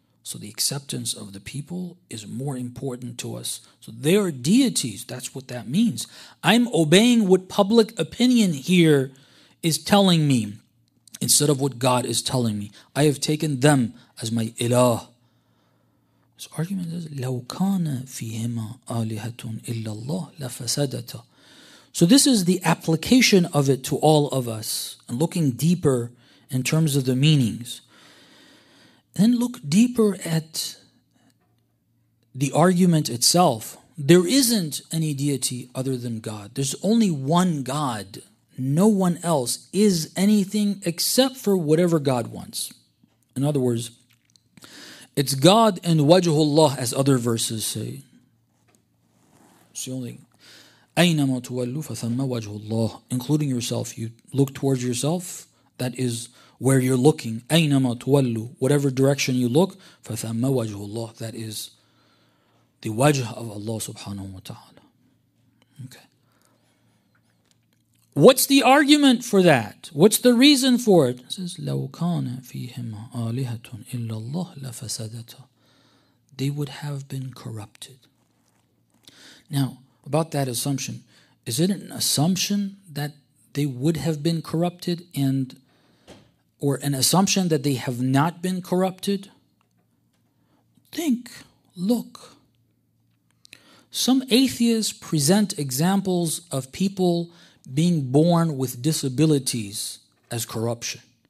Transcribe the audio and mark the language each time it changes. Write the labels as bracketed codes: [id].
[en] So the acceptance of the people is more important to us. So they are deities. That's what that means. I'm obeying what public opinion here is telling me instead of what God is telling me. I have taken them as my ilah. This argument is, [ar] لَوْ كَانَ فِيهِمَا آلِهَةٌ إِلَّا اللَّهِ لَفَسَدَتَ. [en] So this is the application of it to all of us, and looking deeper in terms of the meanings. Then look deeper at the argument itself. There isn't any deity other than God. There's only one God. No one else is anything except for whatever God wants. In other words, it's God and Wajhullah, as other verses say. It's the only. [ar] أَيْنَمَا تُوَلُّ فَثَمَّ وَجْهُ اللَّهِ. [en] Including yourself, you look towards yourself, that is where you're looking. [ar] أَيْنَمَا تُوَلُّ. [en] Whatever direction you look, [ar] فَثَمَّ وَجْهُ اللَّهِ. [en] That is the wajh of Allah subhanahu wa ta'ala. Okay. What's the argument for that? What's the reason for it? It says, [ar] لَوْ كَانَ فِيهِمَا آلِهَةٌ إِلَّا اللَّهِ لَفَسَدَتَ. [en] They would have been corrupted. Now, about that assumption, is it an assumption that they would have been corrupted, and or an assumption that they have not been corrupted? Think, look. Some atheists present examples of people being born with disabilities as corruption.